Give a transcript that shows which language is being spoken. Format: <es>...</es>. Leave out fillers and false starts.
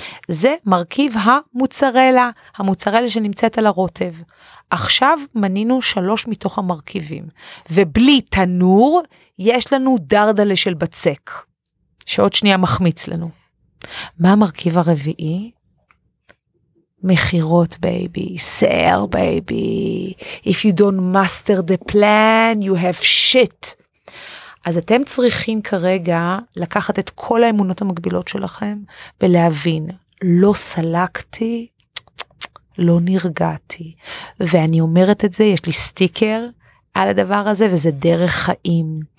<he>זה מרכיב המוצרלה, המוצרלה שנמצאת על הרוטב. עכשיו מנינו 3 מתוך המרכיבים, ובלי תנור יש לנו דרדלה של בצק, שעוד שנייה מחמיץ לנו. מה המרכיב הרביעי?</he> <en>מחירות, baby, sell, baby. If you don't master the plan, you have shit.</en> <he>אז אתם צריכים כרגע לקחת את כל האמונות המקבילות שלכם ולהבין, לא סלקתי, לא נרגעתי. ואני אומרת את זה, יש לי סטיקר על הדבר הזה, וזה דרך חיים.</he>